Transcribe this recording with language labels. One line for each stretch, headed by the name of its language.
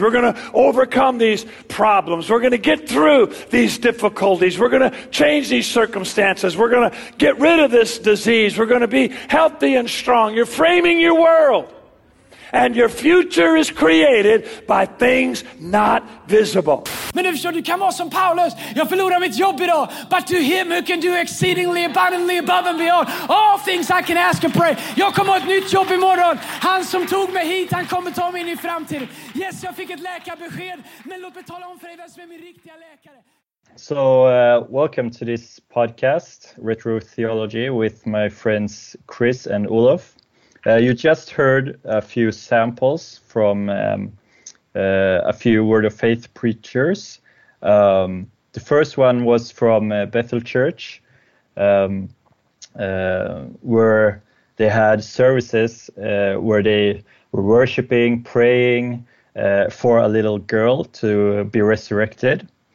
English: We're going to overcome these problems. We're going to get through these difficulties. We're going to change these circumstances. We're going to get rid of this disease. We're going to be healthy and strong. You're framing your world. And your future is created by things not visible.
Swedish: Men du förstår, du kan vara som Paulus. Jag förlorar mitt jobb idag.
English: But to him who can do exceedingly abundantly above and beyond all things I can ask and pray.
Swedish: Jag kommer ett nytt jobb imorgon. Han som tog mig hit, han kommer ta mig in i framtiden. Yes, jag fick ett läkarbesked. Men låt mig tala om för dig vem som är min riktiga läkare.
English: So, welcome to this podcast, Retro Theology, with my friends Chris and Olof. You just heard a few samples from a few Word of Faith preachers. The first one was from Bethel Church, where they had services where they were worshiping, praying for a little girl to be resurrected.